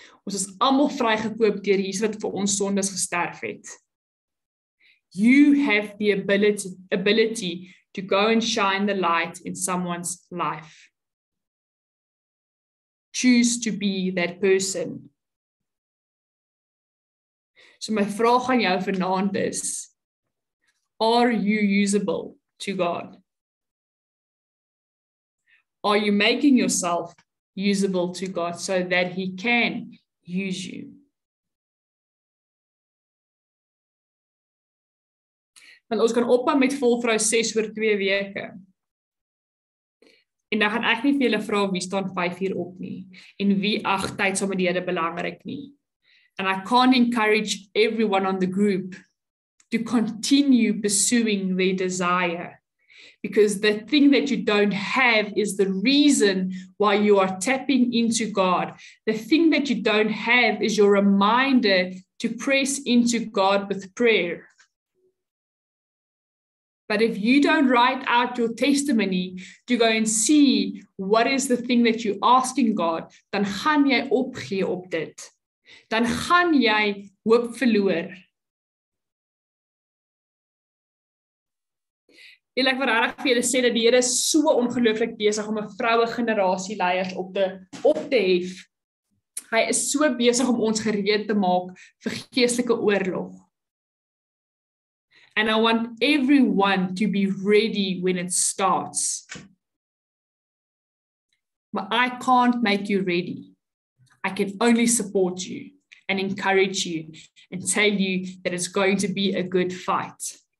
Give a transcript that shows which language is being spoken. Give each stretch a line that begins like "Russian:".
Afrikaans: Ons is almal vrygekoop deur Jesus wat vir ons sondes gesterf het.
English: You have the ability to go and shine the light in someone's life. Choose to be that person.
Afrikaans: So my vraag aan jou vanaand is,
English: are you usable to God? Are you making yourself usable to God so that he can use you?
Afrikaans: Want ons kan ophou met volvrou 6 oor 2 weke. En dan gaan ek nie vir julle vra wie staan 5 uur op nie en wie 8 tyd saam met die Here belangrik nie.
English: And I can't encourage everyone on the group to continue pursuing their desire. Because the thing that you don't have is the reason why you are tapping into God. The thing that you don't have is your reminder to press into God with prayer. But if you don't write out your testimony to go and see what is the thing that you're asking God,
Afrikaans: dan gaan jy opgee op dit. Dan gaan jy hoop verloor. En ek wil regtig vir julle sê dat die Here so ongelooflik besig om 'n vroue generasie leiers op te hef. Hy is so besig om ons gereed te maak vir geestelike oorlog.
English: And I want everyone to be ready when it starts. But I can't make you ready. I can only support you and encourage you and tell you that it's going to be a good fight.